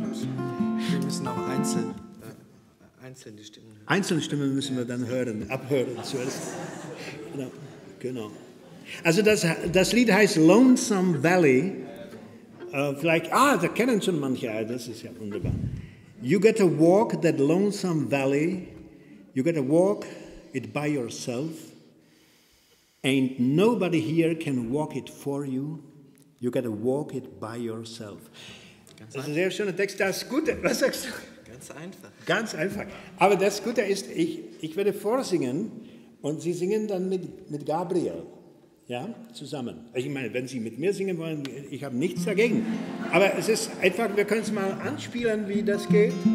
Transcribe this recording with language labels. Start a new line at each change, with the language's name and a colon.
German: Wir müssen auch einzelne Stimmen hören. Einzelne Stimmen müssen wir dann hören, abhören zuerst. Genau. Also das Lied heißt Lonesome Valley. Das kennen schon manche, das ist ja wunderbar.
English: You get to walk that lonesome valley, you get to walk it by yourself, ain't nobody here can walk it for you, you get to walk it by yourself.
German: Ganz das ist ein sehr schöner Text, das Gute, was sagst du? Ganz einfach. Ganz einfach. Aber das Gute ist, ich werde vorsingen und Sie singen dann mit Gabriel. Ja, zusammen. Ich meine, wenn Sie mit mir singen wollen, ich habe nichts dagegen. Aber es ist einfach, wir können es mal anspielen, wie das geht.